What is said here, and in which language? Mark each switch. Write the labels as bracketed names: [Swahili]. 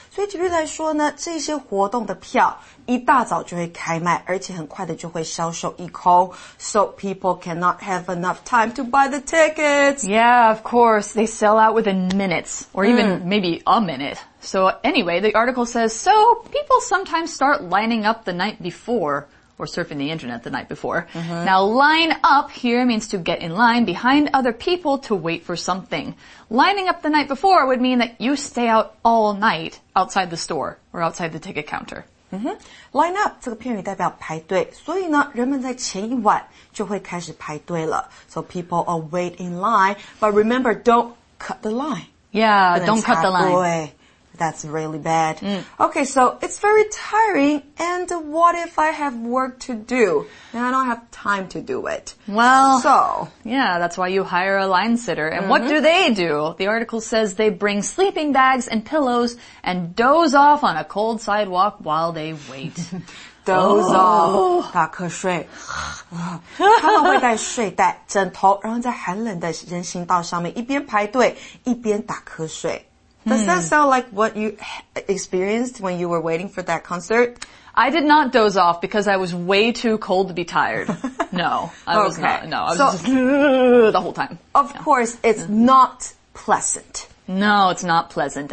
[Chinese] 所以举例来说呢，这些活动的票一大早就会开卖，而且很快的就会销售一空。 [English] So people cannot have enough time to buy the tickets. Yeah, of course. They sell out within minutes, or even maybe a minute. So anyway, the article says, so people sometimes start lining up the night before, or surfing the internet the night before. Mm-hmm. Now, line up here means to get in line behind other people to wait for something. Lining up the night before would mean that you stay out all night outside the store or outside the ticket counter. [Chinese] Mm-hmm. Line up, 这个片语代表排队。所以呢人们在前一晚就会开始排队了。 [English] So people are wait in line, but remember, don't cut the line. Yeah, don't cut the line. That's really bad. Mm. Okay, so it's very tiring. And what if I have work to do? And I don't have time to do it. Well, so. Yeah, that's why you hire a line sitter. And what do they do? The article says they bring sleeping bags and pillows and doze off on a cold sidewalk while they wait. [Chinese] doze off. 打瞌睡。他们会带睡袋、枕头然后在寒冷的人行道上面一边排队一边打瞌睡。 [English] Does that sound like what you experienced when you were waiting for that concert? I did not doze off because I was way too cold to be tired. No, I was not. No, I was just the whole time. Of course, it's not pleasant. No, it's not pleasant.